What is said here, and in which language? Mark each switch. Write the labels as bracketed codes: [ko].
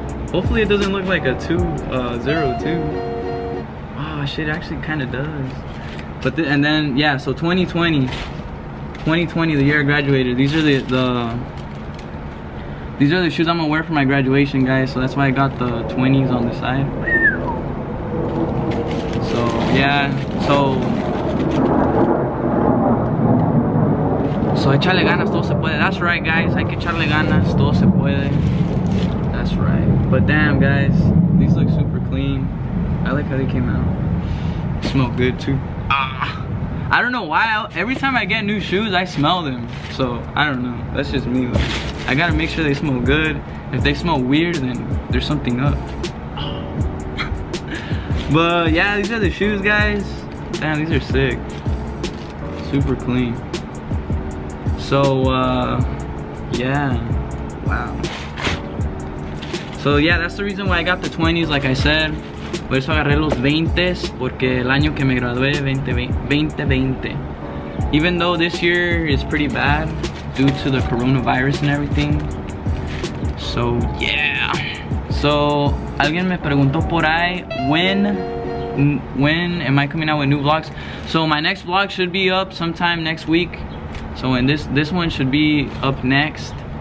[en] Hopefully it doesn't look like a 2, 0, 2. Oh shit, it actually kind of does. But and then, yeah, so 2020. 2020, the year I graduated. These are the shoes I'm gonna wear for my graduation, guys. So that's why I got the 20s on the side. [es] So yeah, so echarle ganas, todo se puede. [en] That's right, guys. [es] Hay que echarle ganas, todo se puede. That's right. [en] But damn, guys, these look super clean. I like how they came out. They smell good too. I don't know why, every time I get new shoes, I smell them. So, I don't know, that's just me. Like, I gotta make sure they smell good. If they smell weird, then there's something up. But yeah, these are the shoes, guys. Damn, these are sick. Super clean. So, yeah, wow. So yeah, that's the reason why I got the 20s, like I said. [es] Por eso agarré los 20s, porque el año que me gradué, 2020. [en] Even though this year is pretty bad due to the coronavirus and everything. So, yeah. So, [es] alguien me preguntó por ahí, [en] when am I coming out with new vlogs? So, my next vlog should be up sometime next week. So, and this one should be up next.